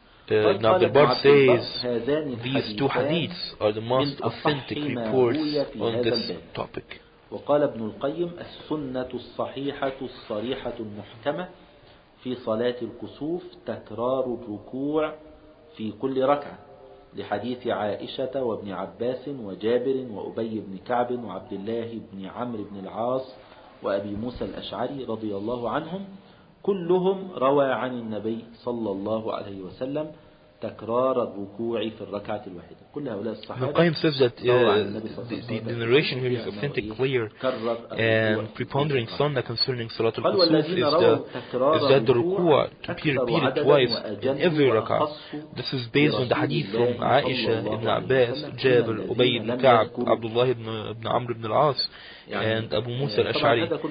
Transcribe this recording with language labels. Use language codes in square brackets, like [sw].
[en] Ibn Abdelbar says these two hadiths are the most authentic reports on this topic. [ar] وقال ابن القيم السنة الصحيحة الصريحة المحكمة في صلاة الكسوف تكرار الركوع في كل ركعة لحديث عائشة وابن عباس وجابر وأبي بن كعب وعبد الله بن عمرو بن العاص وأبي موسى الأشعري رضي الله عنهم كلهم روى عن النبي صلى الله عليه وسلم تكرار الركوع في الركعة الواحدة كل هؤلاء الصحابة. [en] Al-Qayyim says that the narration here is authentic, clear, and preponderating sunnah concerning Salat al-Kusuf is that the ركوع to be repeated twice in every ركعة. This is based on the hadith from Aisha ibn Abbas, Jabir, Ubay ibn Ka'b, Abdullah ibn Amr ibn al-As, and Abu Musa al-Ash'ari.